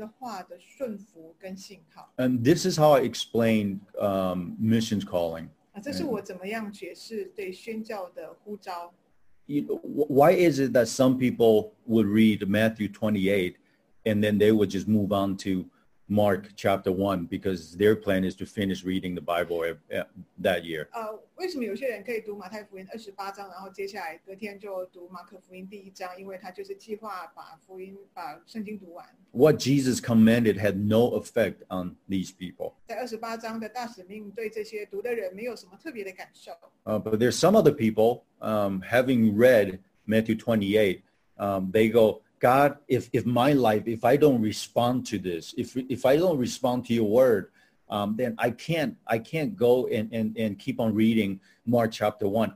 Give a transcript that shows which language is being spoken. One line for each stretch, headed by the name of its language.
Chinese: 所以我觉得我们应该要不要一直想到这个超自然的呼召，而进入对神的话的顺服跟信靠。
English: And this is how I explain missions calling.
Chinese: 这是我怎么样解释对宣教的呼召。
English: Why is it that some people would read Matthew 28 and then they would just move on to Mark chapter 1 because their plan is to finish reading the Bible that year?
Chinese: 为什么有些人可以读马太福音28章，然后接下来隔天就读马可福音第一章，因为他就是计划把福音、把圣经读完。
English: What Jesus commanded had no effect on these people.
Chinese: 在28章的大使命对这些读的人没有什么特别的感受。
English: But there's some other people, having read Matthew 28, they go, God, if my life, if I don't respond to this, if I don't respond to your word, then I can't go and keep on reading Mark chapter 1.